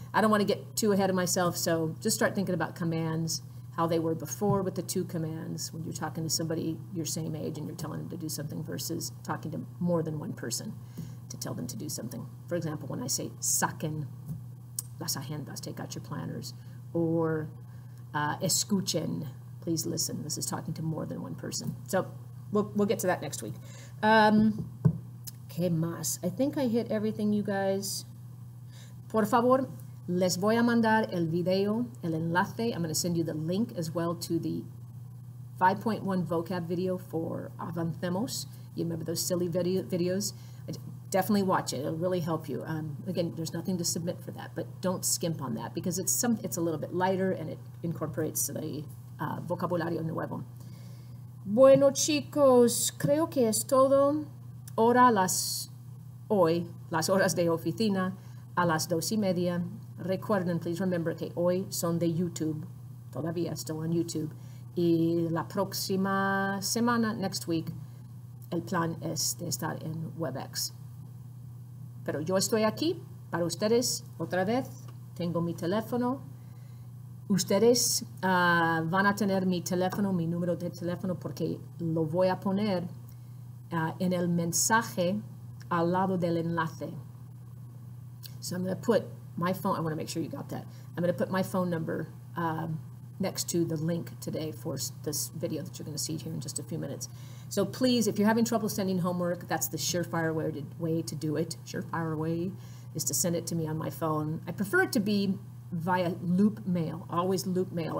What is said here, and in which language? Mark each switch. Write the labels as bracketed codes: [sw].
[en] I don't want to get too ahead of myself, so just start thinking about commands, how they were before with the two commands, when you're talking to somebody your same age and you're telling them to do something versus talking to more than one person to tell them to do something. For example, when I say, [es] saquen las agendas, [en] take out your planners, or [es] escuchen, [en] please listen. This is talking to more than one person. So we'll get to that next week. [es] Que más? [en] I think I hit everything, you guys. [es] Por favor, les voy a mandar el video, el enlace. [en] I'm going to send you the link as well to the 5.1 vocab video for Avancemos. You remember those silly videos? Definitely watch it. It'll really help you. Again, there's nothing to submit for that, but don't skimp on that because it's a little bit lighter and it incorporates the [es] vocabulario nuevo. Bueno, chicos, creo que es todo. Hoy, las horas de oficina, a las 2:30. Recuerden, [en] please remember [es] que hoy son de YouTube. Todavía estoy [en] on YouTube. [es] Y la próxima semana, [en] next week, [es] el plan es de estar en WebEx. Pero yo estoy aquí para ustedes otra vez. Tengo mi teléfono. Ustedes van a tener mi teléfono, mi número de teléfono, porque lo voy a poner en el mensaje al lado del enlace. [en] So I'm going to put my phone. I want to make sure you got that. I'm going to put my phone number next to the link today for this video that you're going to see here in just a few minutes. So please, if you're having trouble sending homework, that's the surefire way to do it. Surefire way is to send it to me on my phone. I prefer it to be via loop mail, always loop mail.